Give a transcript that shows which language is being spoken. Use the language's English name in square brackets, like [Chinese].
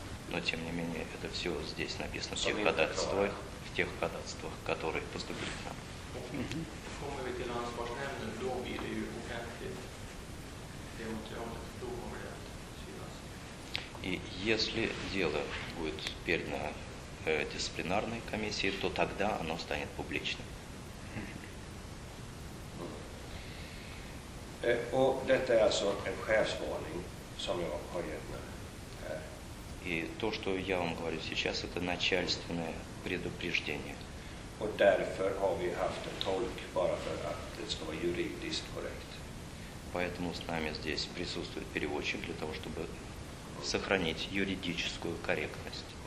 [Russian] Но, тем не менее, это все здесь написано в тех ходатайствах, которые поступили к нам. [Swedish] Kommer vi till ansvarsnämnden, då blir det ju offentligt, det materialet, då kommer det att synas. [Russian] И если дело будет передано дисциплинарной комиссии, то тогда оно станет публичным. [Swedish] Och detta är alltså en chefsvarning som jag har gett nu. [Russian] И то, что я вам говорю сейчас, это начальственное предупреждение. [Swedish] Och därför har vi haft en tolk bara för att det ska vara juridiskt korrekt. [Russian] Поэтому с нами здесь присутствует переводчик для того, чтобы сохранить юридическую корректность.